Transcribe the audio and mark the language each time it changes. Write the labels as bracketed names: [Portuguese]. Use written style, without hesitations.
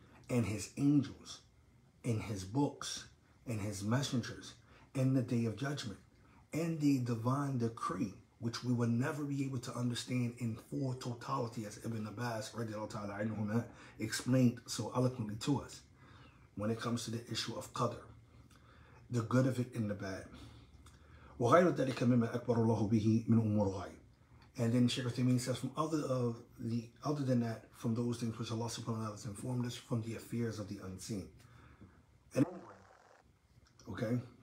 [English] and His angels and His books and His messengers and the Day of Judgment and the divine decree, which we will never be able to understand in full totality, as Ibn Abbas radiallahu ta'ala anhu explained so eloquently to us when it comes to the issue of Qadr, the good of it and the bad. [Arabic] وغير ذلك مما أكبر الله به من أمور غيب. [English] And then Shaykh Uthaymeen says, other than that, from those things which Allah subhanahu wa ta'ala has informed us, from the affairs of the unseen. And, okay.